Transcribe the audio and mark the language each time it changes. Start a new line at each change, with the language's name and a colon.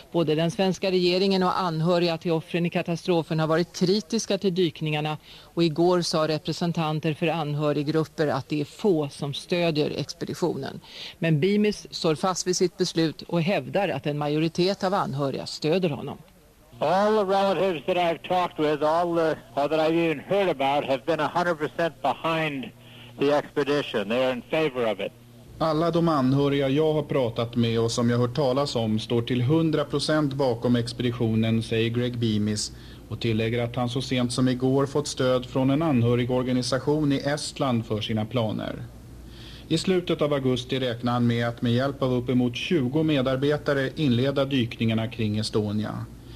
Swedish: Både den svenska regeringen och anhöriga till offren i katastrofen har varit kritiska till dykningarna. Och igår sa representanter för anhöriggrupper att det är få som stödjer expeditionen. Men Beamis står fast vid sitt beslut och hävdar att en majoritet av anhöriga stöder honom.
English: All the relatives that I've talked with, all that I've even heard about, have been 100% behind the expedition. They are in favor of it.
Swedish: Alla de anhöriga jag har pratat med och som jag hört talas om står till 100% bakom expeditionen, säger Greg Beamis, och tillägger att han så sent som igår fått stöd från en anhörig organisation i Estland för sina planer. I slutet av augusti räknar han med att med hjälp av uppemot 20 medarbetare inleda dykningarna kring Estonia.